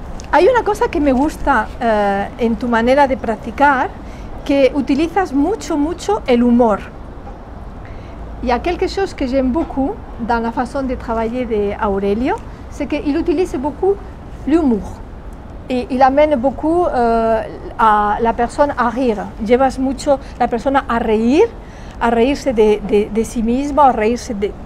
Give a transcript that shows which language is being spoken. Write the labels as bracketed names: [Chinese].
[Spanish] Hay una cosa que me gusta en tu manera de practicar, que utilizas mucho, mucho el humor. [French] Y hay quelque chose que j'aime beaucoup dans la façon de travailler de Aurelio, c'est qu'il utilise beaucoup l'humour. Et il amène beaucoup à la personne à rire. [Spanish] Llevas mucho la persona a reírse de sí mismo, a reírse de...